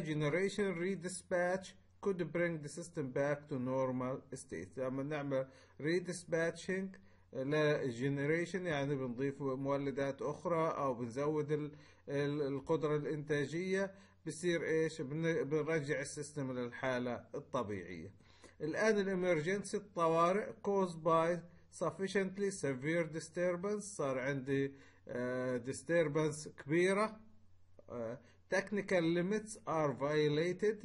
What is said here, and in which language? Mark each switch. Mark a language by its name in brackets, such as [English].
[English] generation redispatch could bring the system back to normal state. [Arabic] لما نعمل redispatching لجنريشن يعني بنضيف مولدات اخرى او بنزود القدرة الانتاجية، بصير ايش؟ بنرجع السيستم للحالة الطبيعية. الان الامرجنسي الطوارئ [English] caused by sufficiently severe disturbance. [Arabic] صار عندي disturbance كبيرة. [English] technical limits are violated.